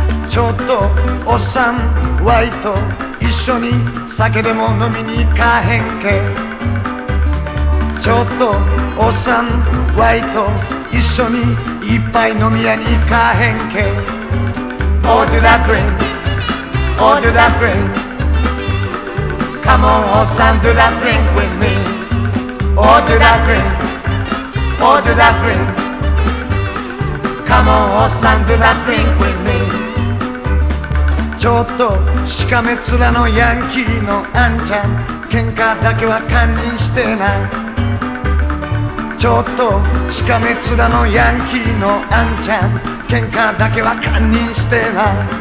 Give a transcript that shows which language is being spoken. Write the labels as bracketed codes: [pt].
[ja] ちょっとおっさん、ワイと一緒に酒でも飲みに行かへんけ。ちょっとおっさん、ワイと一緒に一杯飲み屋に行かへんけ。 [en] Oh do that drink, oh do that drink, come on [ja] おっさん [en] do that drink with me. Oh do that drink, oh do that drink, come on [ja] おっさん [en] do that drink with me. [ja] ちょっとしかめ面のヤンキーのあんちゃん、喧嘩だけは堪忍してない。ちょっとしかめ面のヤンキーのあんちゃん、喧嘩だけは堪忍してな。